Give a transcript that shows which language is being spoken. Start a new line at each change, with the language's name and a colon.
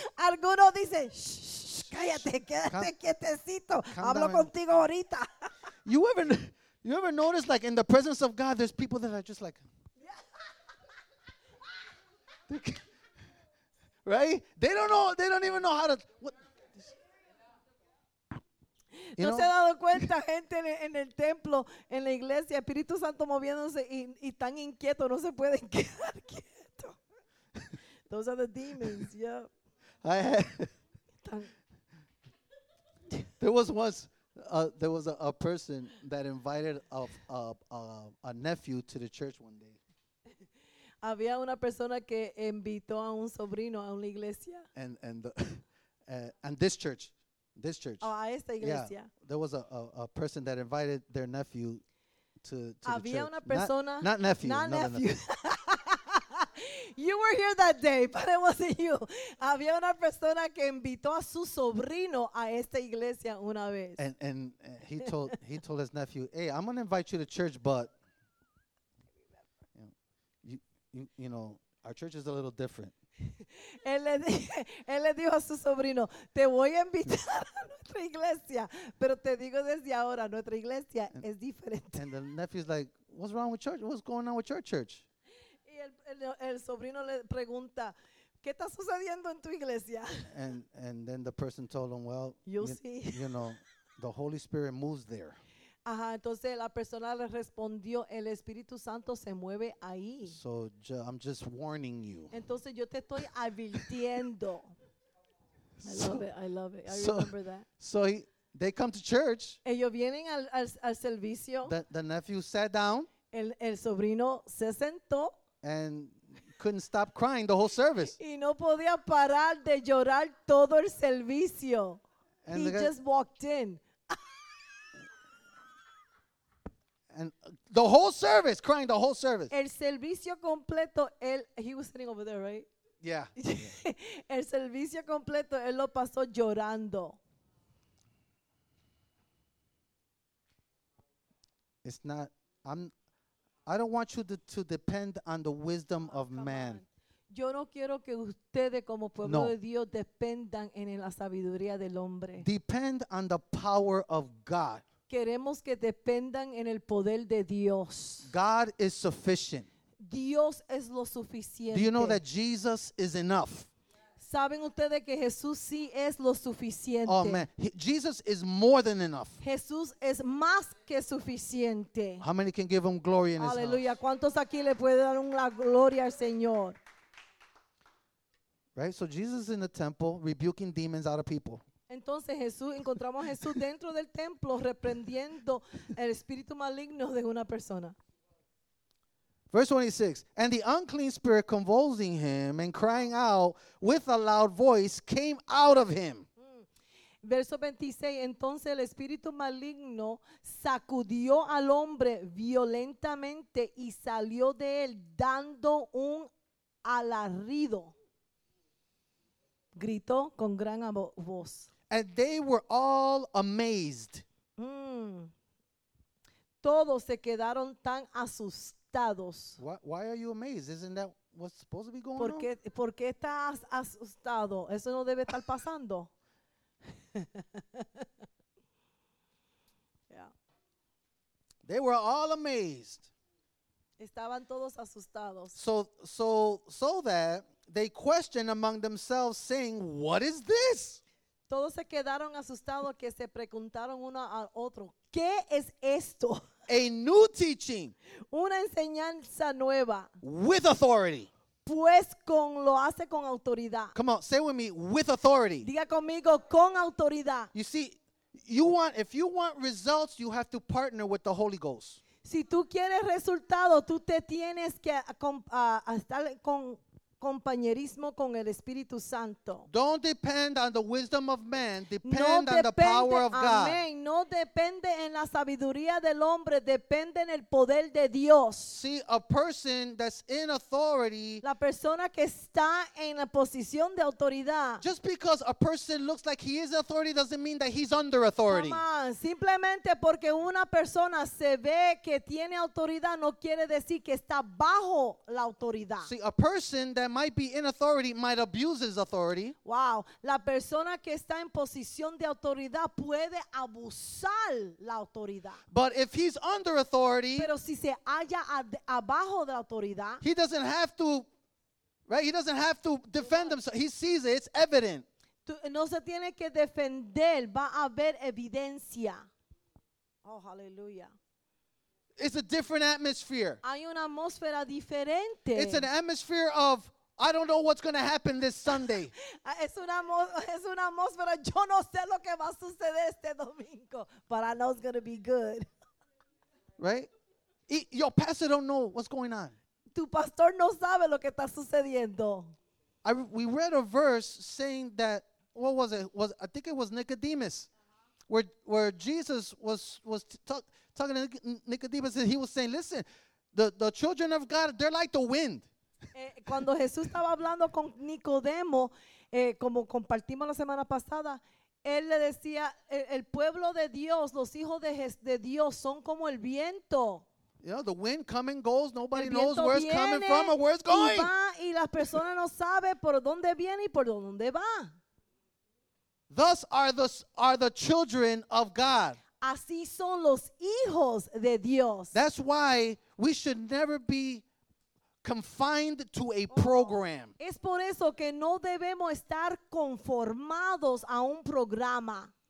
Spanish: algunos dicen, shh, shh, cállate, quédate quietecito. Hablo contigo ahorita.
English: You ever notice, like, in the presence of God, there's people that are just like, right? They don't know. They don't even know how to. What?
Spanish: No se ha dado cuenta gente en el templo, en la iglesia, Espíritu Santo moviéndose y tan inquieto, no se pueden quedar quieto.
English: Those are the demons, yeah. There was a person that invited a nephew to the church one day.
Spanish: Había una persona que invitó a un sobrino a una iglesia.
English: And this church.
Spanish: Oh, a esta iglesia.
English: Yeah, there was a person that invited their nephew to the church.
Spanish: Había una persona.
English: Not nephew. You were here that day, but it wasn't you.
Spanish: Había una persona que invitó a su sobrino a esta iglesia una vez.
English: And he told his nephew, hey, I'm going to invite you to church, but, you know, our church is a little different.
Spanish: Él le dijo a su sobrino, te voy a invitar a nuestra iglesia, pero te digo desde ahora, nuestra iglesia es diferente.
English: And the nephew's like, what's wrong with church? What's going on with your church?
Spanish: Y el sobrino le pregunta, ¿qué está sucediendo en tu iglesia?
English: And then the person told him, well, you'll see. You know, the Holy Spirit moves there.
Spanish: Ajá, entonces la persona le respondió, el Espíritu Santo se mueve ahí.
English: So, I'm just warning you.
Spanish: Entonces yo te estoy advirtiendo.
English: I love it. I remember that. So, they come to church.
Spanish: Ellos vienen al servicio.
English: The nephew sat down.
Spanish: El sobrino se sentó.
English: And couldn't stop crying the whole service.
Spanish: Y no podía parar de llorar todo el servicio.
English: And he just walked in. And the whole service, crying the whole service.
Spanish: El servicio completo,
English: he was sitting over there, right? Yeah.
Spanish: El servicio completo, él lo pasó llorando.
English: It's not, I don't want you to depend on the wisdom of man.
Spanish: Yo no quiero que ustedes como pueblo de Dios dependan en la sabiduría del hombre.
English: Depend on the power of God.
Spanish: Queremos que dependan en el poder de Dios.
English: God is sufficient.
Spanish: Dios es lo suficiente.
English: Do you know that Jesus is enough?
Spanish: ¿Saben ustedes que Jesús sí es lo suficiente?
English: Oh man, Jesus is more than enough.
Spanish: Jesús es más que suficiente.
English: How many can give him glory in Hallelujah. His house?
Spanish: Aleluya. ¿Cuántos aquí le puede dar una gloria al Señor?
English: Right? So Jesus is in the temple rebuking demons out of people.
Spanish: Entonces Jesús, encontramos a Jesús dentro del templo reprendiendo el espíritu maligno de una persona.
English: Verse 26, and the unclean spirit convulsing him and crying out with a loud voice came out of him.
Spanish: Verso 26, entonces el espíritu maligno sacudió al hombre violentamente y salió de él dando un alarido. Gritó con gran voz.
English: And they were all amazed.
Spanish: Todos se quedaron tan asustados.
English: Why are you amazed? Isn't that what's supposed to be going
Spanish: on? ¿Por qué estás asustado? Eso no debe estar pasando.
English: Yeah. They were all amazed.
Spanish: Estaban todos asustados.
English: So that they questioned among themselves, saying, "What is this?"
Spanish: Todos se quedaron asustados que se preguntaron uno a otro, ¿qué es esto?
English: A new teaching.
Spanish: Una enseñanza nueva.
English: With authority.
Spanish: Pues con lo hace con autoridad.
English: Come on, say with me, with authority.
Spanish: Diga conmigo, con autoridad.
English: You see, if you want results, you have to partner with the Holy Ghost.
Spanish: Si tú quieres resultados, tú te tienes que estar con compañerismo con el Espíritu Santo.
English: Don't depend on the wisdom of man, depend on the power of God.
Spanish: No depende en la sabiduría del hombre, depende en el poder de Dios.
English: See, a person that's in authority,
Spanish: la persona que está en la posición de autoridad,
English: just because a person looks like he is authority doesn't mean that he's under authority.
Spanish: Simplemente porque una persona se ve que tiene autoridad no quiere decir que está bajo la autoridad.
English: See, a person that might be in authority might abuse his authority.
Spanish: Wow, la persona que está en posición de autoridad puede abusar la autoridad.
English: But if he's under authority,
Spanish: pero si se halla abajo de la autoridad,
English: he doesn't have to, right? He doesn't have to defend himself. He sees it, it's evident.
Spanish: No se tiene que defender, va a haber evidencia.
English: Oh, hallelujah. It's a different atmosphere.
Spanish: Hay una atmósfera diferente.
English: It's an atmosphere of, I don't know what's going to happen this Sunday.
Spanish: Es una atmósfera, yo no sé lo que va a suceder este domingo,
English: but I know it's going to be good. Right? Your pastor don't know what's going on.
Spanish: Tu pastor no sabe lo que está sucediendo.
English: We read a verse saying that, what was it? I think it was Nicodemus. Where Jesus was talking to Nicodemus, and he was saying, listen, the children of God, they're like the wind.
Spanish: Cuando Jesús estaba hablando con Nicodemo, como compartimos la semana pasada, él le decía, el pueblo de Dios, los hijos de Dios, son como el viento.
English: You know, the wind comes and goes. Nobody knows where it's coming from or where it's going.
Spanish: Y va, y las personas no sabe por dónde viene y por dónde va.
English: Thus are the children of God.
Spanish: Así son los hijos de Dios.
English: That's why we should never be confined to a program.
Spanish: Es por eso que no debemos estar conformados a un programa.